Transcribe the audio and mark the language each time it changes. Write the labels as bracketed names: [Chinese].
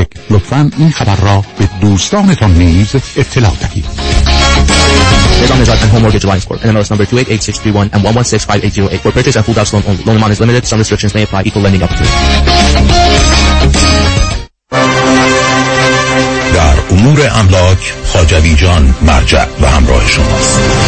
[Persian] لطفاً این خبر را به دوستانتان نیز اطلاع دهید. [English] Nizam Nizad and Home Mortgage Alliance Corp. NMLS number 288631 and 1165808. For purchase and full house loan only. Loan amount is limited. Some restrictions may apply. Equal lending opportunity. [Persian] در امور املاک خواجوی جان مرجع و همراه شماست.